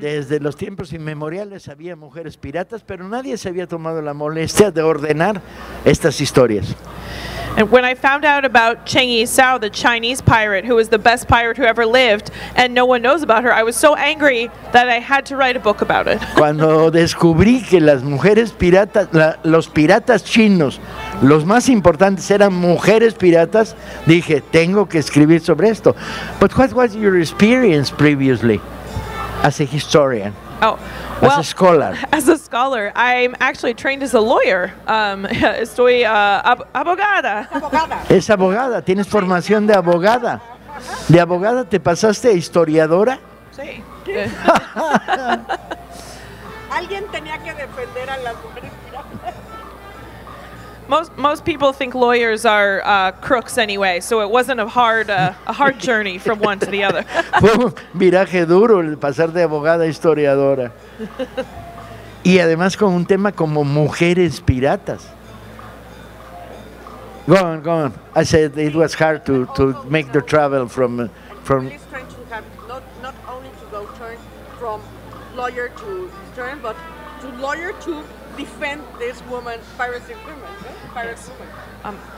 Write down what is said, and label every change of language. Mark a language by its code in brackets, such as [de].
[es] Desde los tiempos inmemoriales había mujeres piratas, pero nadie se había tomado la molestia de ordenar estas historias. [en] And when I found out about Cheng Yi Sao, the Chinese pirate who was the best pirate who ever lived, and no one knows about her, I was so angry that I had to write a book about it. [es] Cuando descubrí que las mujeres piratas, los piratas chinos, los más importantes eran mujeres piratas, dije, tengo que escribir sobre esto. [en] But what was your experience previously as a historian? Oh, well, as a scholar. As a scholar, I'm actually trained as a lawyer. [es] Estoy abogada. Es abogada. Tienes formación de abogada. De abogada te pasaste a historiadora. Sí. Alguien tenía que defender a las mujeres. [en] Most people think lawyers are crooks anyway, so it wasn't a hard journey from one to the other. [es] Fue un viraje duro el pasar de abogada a historiadora. Y además con un tema como mujeres piratas. [en] Go on, go on. I said it was hard to make the travel from... It's really strange to have not only to go turn from lawyer to turn, but to lawyer to defend this woman, piracy woman.